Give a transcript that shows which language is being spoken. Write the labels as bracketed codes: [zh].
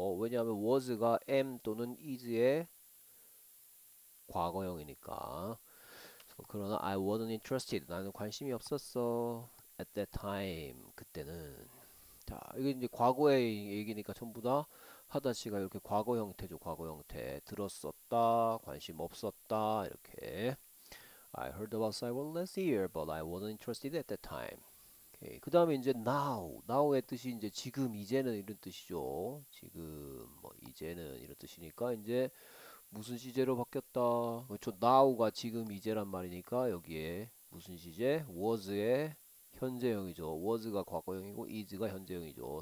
[ko] 왜냐하면 was가 am 또는 is의 과거형이니까. 그러나 [en] I wasn't interested. [ko] 나는 관심이 없었어. [en] At that time. [ko] 그때는. 자, 이게 이제 과거의 얘기니까 전부 다 하다시가 이렇게 과거 형태죠. 과거 형태. 들었었다. 관심 없었다. 이렇게. [en] I heard about Cyworld last year, but I wasn't interested at that time. [ko] 오케이. 그 다음에 이제 now. now의 뜻이 이제 지금, 이제는 이런 뜻이죠. 지금, 뭐 이제는 이런 뜻이니까 이제 무슨 시제로 바뀌었다. 그렇죠. now가 지금, 이제란 말이니까 여기에 무슨 시제? was의 현재형이죠. was가 과거형이고 is가 현재형이죠.